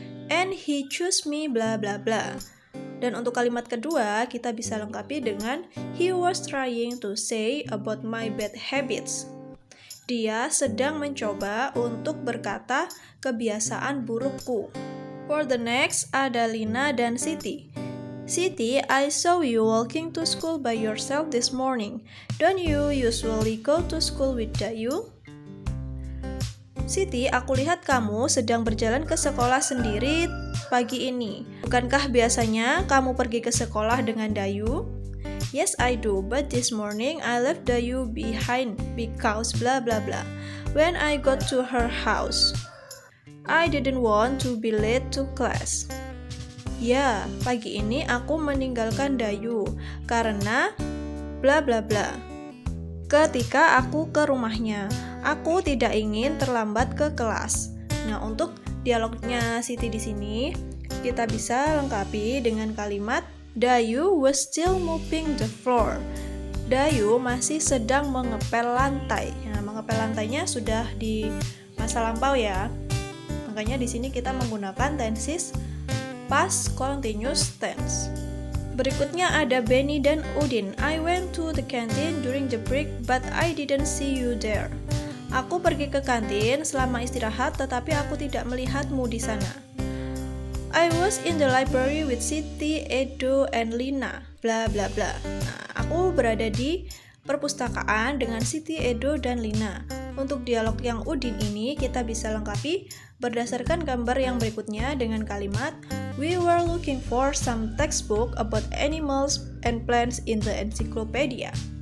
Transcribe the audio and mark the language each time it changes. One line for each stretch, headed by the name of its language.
English: And he chose me bla bla bla.
Indonesian: Dan untuk kalimat kedua, kita bisa lengkapi dengan
English: He was trying to say about my bad habits.
Indonesian: Dia sedang mencoba untuk berkata kebiasaan burukku.
English: For the next,
Indonesian: ada Lina dan Siti.
English: Siti, I saw you walking to school by yourself this morning. Don't you usually go to school with Dayu?
Indonesian: Siti, aku lihat kamu sedang berjalan ke sekolah sendiri pagi ini. Bukankah biasanya kamu pergi ke sekolah dengan Dayu?
English: Yes, I do, but this morning I left Dayu behind because blah blah blah. When I got to her house, I didn't want to be late to class.
Indonesian: Ya, pagi ini aku meninggalkan Dayu karena blah blah blah. Ketika aku ke rumahnya, aku tidak ingin terlambat ke kelas. Nah, untuk dialognya Siti di sini, kita bisa lengkapi dengan kalimat
English: Dayu was still mopping the floor.
Indonesian: Dayu masih sedang mengepel lantai. Nah, mengepel lantainya sudah di masa lampau ya. Makanya di sini kita menggunakan tenses past continuous tense. Berikutnya ada Benny dan Udin.
English: I went to the canteen during the break, but I didn't see you there.
Indonesian: Aku pergi ke kantin selama istirahat, tetapi aku tidak melihatmu di sana.
English: I was in the library with Siti, Edo, and Lina. Blah, blah, blah.
Indonesian: Nah, aku berada di perpustakaan dengan Siti, Edo, dan Lina. Untuk dialog yang Udin ini, kita bisa lengkapi berdasarkan gambar yang berikutnya dengan kalimat
English: we were looking for some textbook about animals and plants in the encyclopedia.